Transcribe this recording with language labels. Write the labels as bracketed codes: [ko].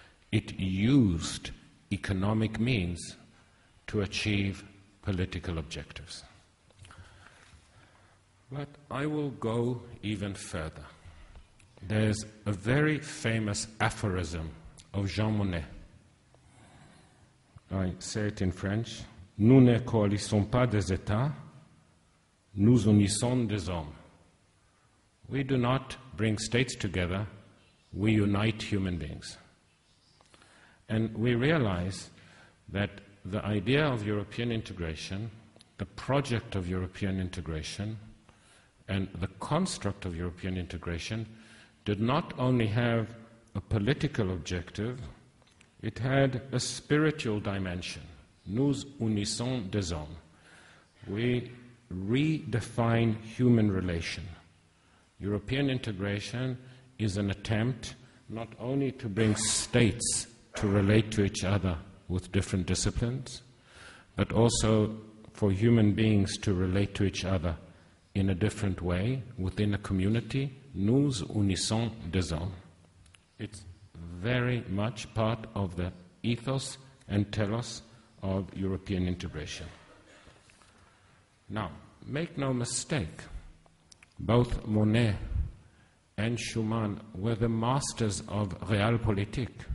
[en] It used economic means to achieve political objectives. But I will go even further. There's a very famous aphorism of Jean Monnet. I say it in French. [fr] Nous ne coalisons pas des États, nous unissons des hommes. [en] We do not bring states together, we unite human beings. And we realize that the idea of European integration, the project of European integration, and the construct of European integration did not only have a political objective, it had a spiritual dimension. [fr] Nous unissons des hommes. [en] We redefine human relation. European integration is an attempt not only to bring states to relate to each other with different disciplines, but also for human beings to relate to each other in a different way within a community. [fr] Nous unissons des hommes. [en] It's very much part of the ethos and telos of European integration. Now, make no mistake, both Monnet and Schuman were the masters of realpolitik.